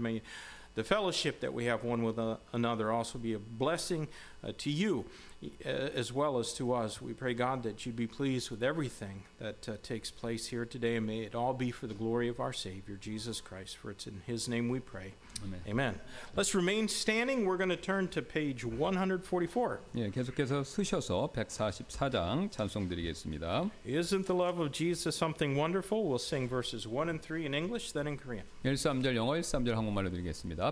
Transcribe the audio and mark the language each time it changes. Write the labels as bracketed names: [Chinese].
[English] May the fellowship that we have one with another also be a blessing to you as well as to us. We pray, God, that you'd be pleased with everything that takes place here today, and may it all be for the glory of our Savior, Jesus Christ, for it's in his name we pray. Amen. Amen. Let's remain standing. We're going to turn to page 144. [Korean] 예, 계속해서 쓰셔서 144장 찬송드리겠습니다. [English] Isn't the love of Jesus something wonderful? We'll sing verses 1 and 3 in English, then in Korean. [Korean] 1-3절 영어, 1-3절 한국말로 드리겠습니다.